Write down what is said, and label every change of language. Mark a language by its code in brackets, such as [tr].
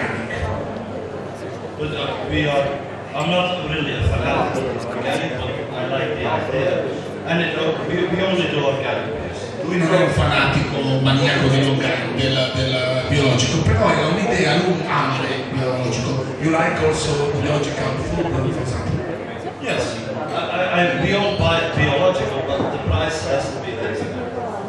[en] I'm not really a fan of organic, but I like the idea. And it, we only do organic. [it] Lui non è un fanatico maniaco dell'organico, del biologico, però è un'idea, lui ama il biologico. [en] You like also biological food, for example? Yes, we all buy biological, but the price has to be reasonable.